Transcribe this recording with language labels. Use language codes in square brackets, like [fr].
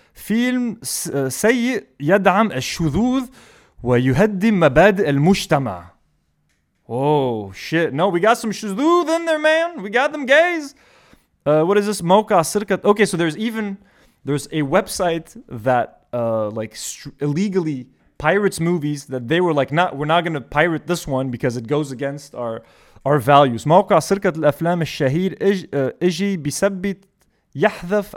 [ar] Film سيء يدعم الشذوذ ويهدم مبادئ المجتمع. [en] Oh shit. No, we got some shذوذ in there, man. We got them gays. What is this? Moka Sirkat. Okay, so there's a website that illegally pirates movies that they were like, we're not going to pirate this one because it goes against our values. [ar] موقع سرقة الأفلام الشهير إجي بيثبت يحذف.